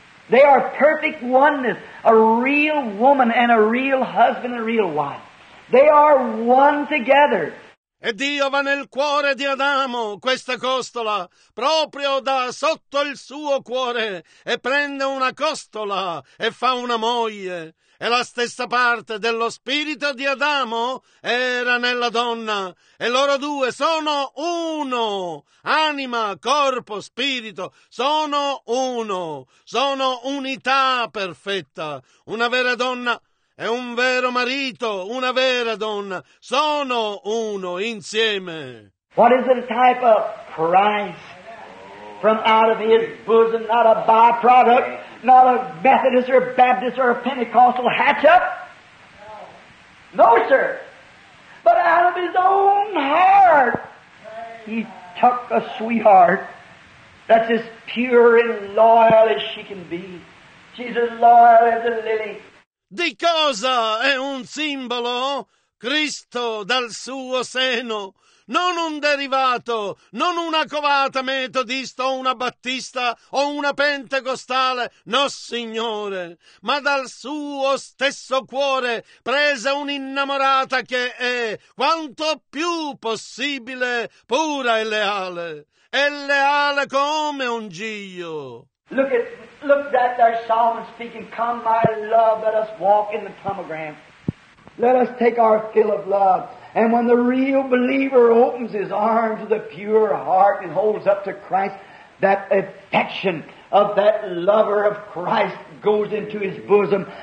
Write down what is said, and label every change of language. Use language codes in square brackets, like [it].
[en] They are perfect oneness, a real woman and a real husband and a real wife. They are one together. [it] E Dio va nel cuore di Adamo, questa costola, proprio da sotto il suo cuore, e prende una costola e fa una moglie. E la stessa parte dello spirito di Adamo era nella donna. E loro due sono uno. Anima, corpo, spirito, sono uno. Sono unità perfetta. Una vera donna. È un vero marito, una vera donna. Sono uno insieme. [en] What is the type of Christ from out of his bosom, not a byproduct, not a Methodist or a Baptist or a Pentecostal hatch-up? No, sir. But out of his own heart, he took a sweetheart that's as pure and loyal as she can be. She's as loyal as a lily. [it] Di cosa è un simbolo? Cristo dal suo seno. Non un derivato, non una covata metodista o una battista o una pentecostale, no signore, ma dal suo stesso cuore presa un'innamorata che è quanto più possibile pura e leale. È leale come un giglio. [en] Look that there, Solomon speaking, come my love, let us walk in the pomegranate. Let us take our fill of love. And when the real believer opens his arms to the pure heart and holds up to Christ, that affection of that lover of Christ goes into his bosom.